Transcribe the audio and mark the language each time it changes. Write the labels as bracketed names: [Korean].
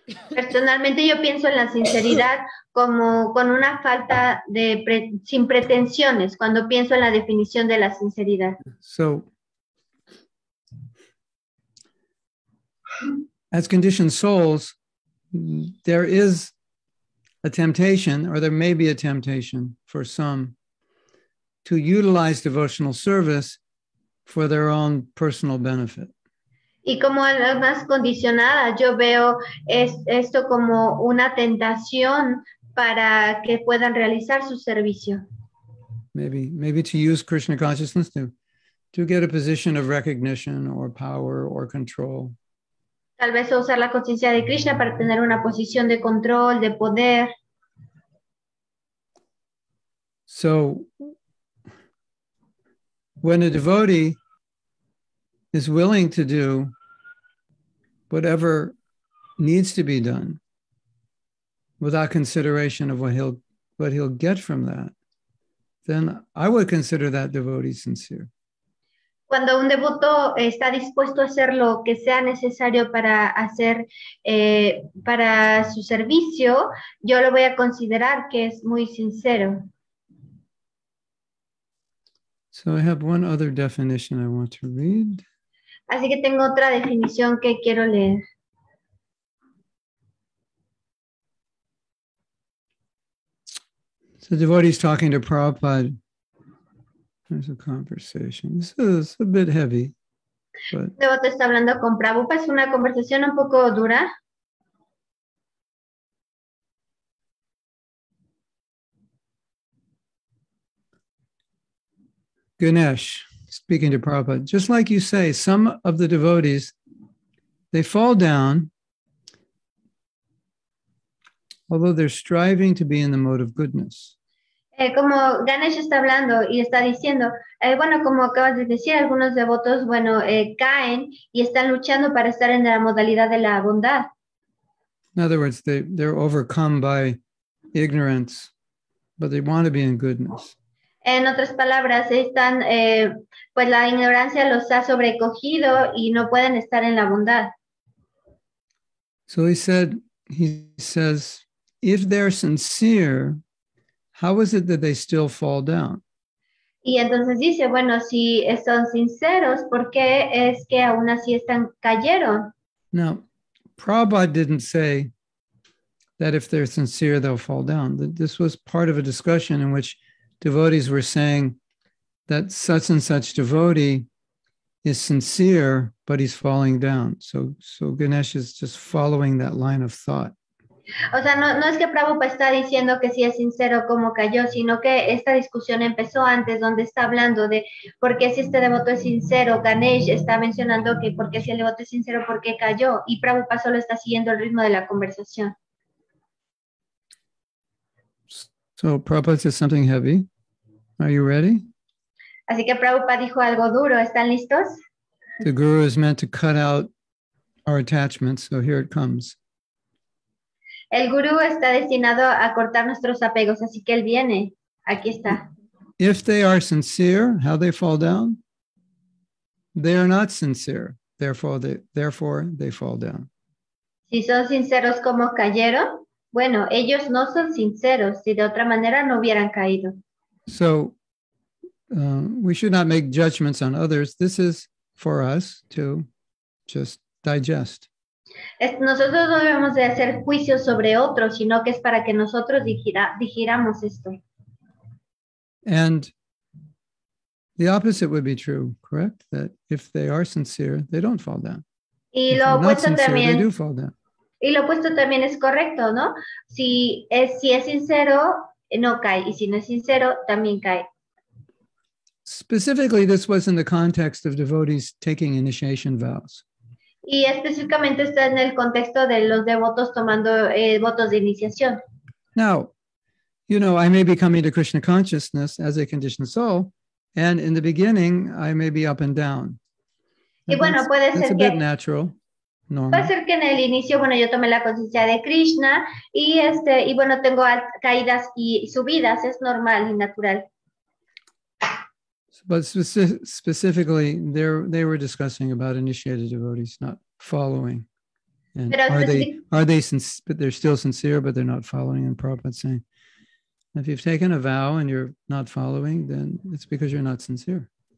[Spanish] Personalmente yo pienso en la sinceridad como con una falta de sin pretensiones, cuando pienso en la definición de la sinceridad. [English] So, as conditioned souls, there is a temptation, or there may be a temptation for some, to utilize devotional service for their own personal benefit. [Spanish] Y como almas condicionadas, yo veo esto como una tentación para que puedan realizar su servicio. [English] Maybe to use Krishna consciousness to get a position of recognition or power or control. [Spanish] Tal vez usar la conciencia de Krishna para tener una posición de control, de poder. [English] So, when a devotee is willing to do whatever needs to be done without consideration of what he'll get from that, then I would consider that devotee sincere. [Spanish] Cuando un devoto está dispuesto a hacer lo que sea necesario para hacer para su servicio, yo lo voy a considerar que es muy sincero. [English] So I have one other definition I want to read. [Spanish] Así que tengo otra definición que quiero leer. [English] So devotee's talking to Prabhupada. There's a conversation. This is a bit heavy. [Spanish] Devoto está hablando con Prabhupada. Es una conversación un poco dura. [English] Ganesh. Speaking to Prabhupada, just like you say, some of the devotees, they fall down, although they're striving to be in the mode of goodness. [Spanish] Como Ganesh está hablando y está diciendo, bueno, como acabas de decir, algunos devotos, bueno, caen y están luchando para estar en la modalidad de la bondad. [English] In other words, they're overcome by ignorance, but they want to be in goodness. [Spanish] En otras palabras, están, pues la ignorancia los ha sobrecogido y no pueden estar en la bondad. [English] So he says, if they're sincere, how is it that they still fall down? [Spanish] Y entonces dice, bueno, si son sinceros, ¿por qué es que aún así están cayeron? [English] Now, Prabhupada didn't say that if they're sincere, they'll fall down. This was part of a discussion in which devotees were saying that such and such devotee is sincere, but he's falling down. So Ganesh is just following that line of thought. [Spanish] O sea, no es que Prabhupada está diciendo que sí es sincero como cayó, sino que esta discusión empezó antes, donde está hablando de por qué si este devoto es sincero, Ganesh está mencionando que por qué si el devoto es sincero, por qué cayó, y Prabhupada solo está siguiendo el ritmo de la conversación. [English] So Prabhupada said something heavy. Are you ready? [Spanish] Así que Prabhupada dijo algo duro. ¿Están listos? [English] The guru is meant to cut out our attachments, so here it comes. [Spanish] El gurú está destinado a cortar nuestros apegos, así que él viene. Aquí está. [English] If they are sincere, how they fall down? They are not sincere, therefore they fall down. [Spanish] Si son sinceros como cayeron, bueno, ellos no son sinceros, si de otra manera no hubieran caído. [English] So, we should not make judgments on others. This is for us to just digest. [Spanish] Nosotros no debemos de hacer juicios sobre otros, sino que es para que nosotros digiramos esto. [English] And the opposite would be true, correct? That if they are sincere, they don't fall down. [Spanish] Y [English] if [Spanish] lo opuesto [English] sincere, [Spanish] también, [English] they do fall down. [Spanish] Y lo opuesto también es correcto, ¿no? Si es sincero, no cae. Y si no es sincero, también cae. [English] Specifically, this was in the context of devotees taking initiation vows. [Spanish] Y específicamente está en el contexto de los devotos tomando votos de iniciación. [English] Now, you know, I may be coming to Krishna consciousness as a conditioned soul, and in the beginning, I may be up and down. [Spanish] Y bueno, puede ser [English] that's [Spanish] que [English] a bit natural, normal. [Spanish] Puede ser que en el inicio, bueno, yo tomé la conciencia de Krishna, y bueno, tengo caídas y subidas, es normal y natural. [English] But specifically, they were discussing about initiated devotees not following. And they're still sincere, but they're not following. And Prabhupada saying, if you've taken a vow and you're not following, then it's because you're not sincere.